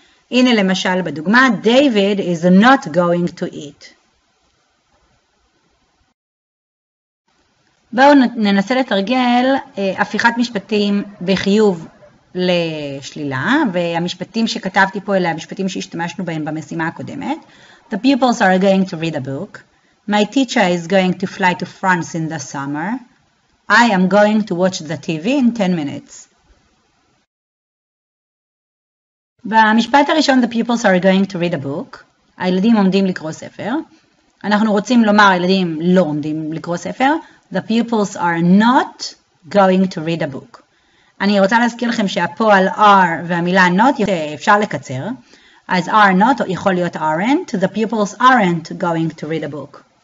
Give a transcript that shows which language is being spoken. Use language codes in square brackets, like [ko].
[he] הנה למשל בדוגמה, [en] David is not going to eat. [he] בואו ננסה לתרגל הפיכת משפטים בחיוב לשלילה, והמשפטים שכתבתי פה אלה המשפטים שהשתמשנו בהם במשימה הקודמת. [en] The pupils are going to read a book. My teacher is going to fly to France in the summer. I am going to watch the TV in 10 minutes. [he] במשפט הראשון, [en] the pupils are going to read a book. [he] הילדים עומדים לקרוא ספר. אנחנו רוצים לומר, הילדים לא עומדים לקרוא ספר. [en] The pupils are not going to read a book. [he] אני רוצה להזכיר לכם שהפועל are והמילה not אפשר לקצר. אז are not יכול להיות aren't. [en] The pupils aren't going to read a book.